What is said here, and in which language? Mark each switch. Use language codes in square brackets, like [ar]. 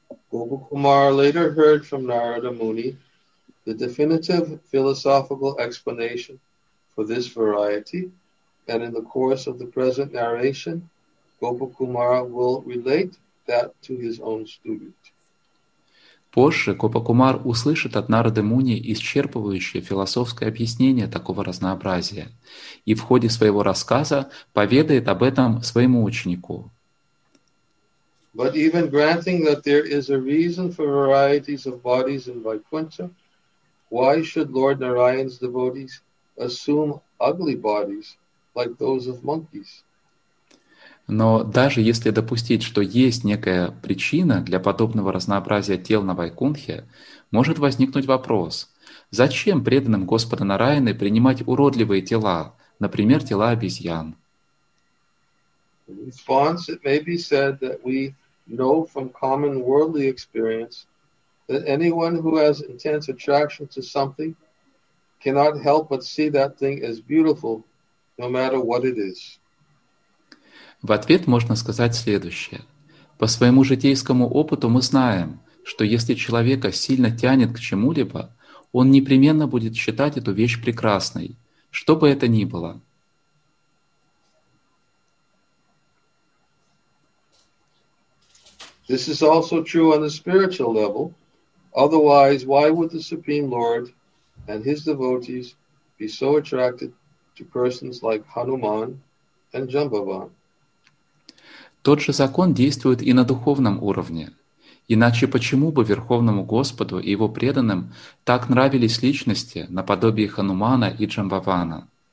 [en] Гопа Кумар later heard from Нарада Муни the definitive philosophical explanation for this variety, and in the course of the present narration, Gopa Kumara will relate that to his own student. [ru] Позже Гопа Кумар услышит от Нарады Муни исчерпывающее философское объяснение такого разнообразия и в ходе своего рассказа поведает об этом своему ученику. [en] But even granting that there is a reason for varieties of bodies in Vaikuntha, why should Lord Narayan's devotees assume ugly bodies like those of monkeys? [ru] Но даже если допустить, что есть некая причина для подобного разнообразия тел на Вайкунтхе, может возникнуть вопрос: зачем преданным Господа Нараяны принимать уродливые тела, например, тела обезьян? [en] In response, it may be said that we know from common worldly experience that anyone who has intense attraction to something cannot help but see that thing as beautiful, no matter what it is. [ru] В ответ можно сказать следующее. По своему житейскому опыту мы знаем, что если человека сильно тянет к чему-либо, он непременно будет считать эту вещь прекрасной, что бы это ни было. [en] This is also true on the spiritual level. Otherwise, why would the Supreme Lord and his devotees be so attracted to persons like Hanuman and Jambavan? [ru] Тот же закон действует и на духовном уровне. Иначе почему бы Верховному Господу и его преданным так нравились личности наподобие Ханумана и Джамбавана?